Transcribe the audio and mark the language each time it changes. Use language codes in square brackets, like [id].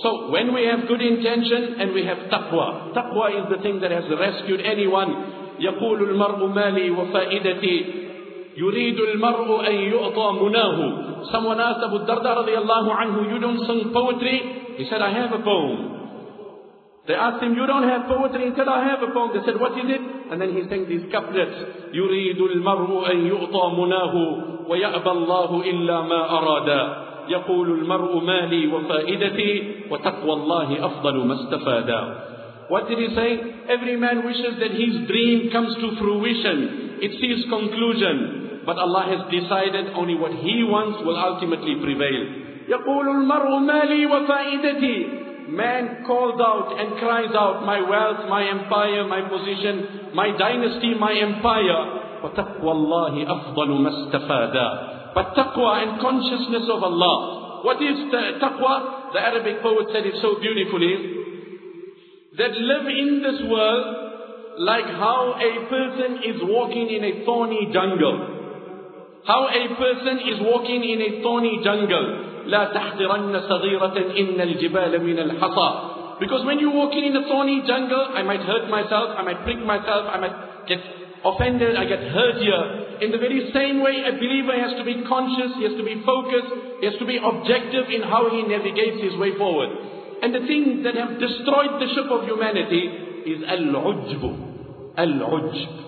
[en] So when we have good intention and we have taqwa, taqwa is the thing that has rescued anyone. [ar] يَقُولُ الْمَرْءُ مَالِي وَفَائِدَتِي يريد المرء أن يؤطى مناه. [en] Someone asked Abu Darda [ar] رضي الله عنه, [en] you don't sing poetry? He said, I have a poem. They asked him, you don't have poetry? He said, I have a poem. They said, what is it? And then he sang these couplets. [ar] يريد المرء أن يؤطى مناه ويأبى الله إلا ما أرادا. يقول المرء مالي وفائدتي وتقوى الله أفضل ما استفادا. [en] What did he say? Every man wishes that his dream comes to fruition. It sees conclusion. But Allah has decided only what he wants will ultimately prevail. [ar] يقول المرء مالي وفائدتي. [en] Man calls out and cries out, my wealth, my empire, my position, my dynasty, my empire. [ar] وتقوى الله أفضل ما استفادا. [en] But taqwa and consciousness of Allah. What is taqwa? The Arabic poet said it so beautifully. That live in this world like how a person is walking in a thorny jungle. How a person is walking in a thorny jungle. [ar] لا تحقرن صغيرة إن الجبال من الحصى. [en] Because when you're walking in a thorny jungle, I might hurt myself, I might prick myself, I might get offended, I get hurt here. In the very same way, a believer has to be conscious, he has to be focused, he has to be objective in how he navigates his way forward. And the things that have destroyed the ship of humanity is al-ujb. Al-ujb.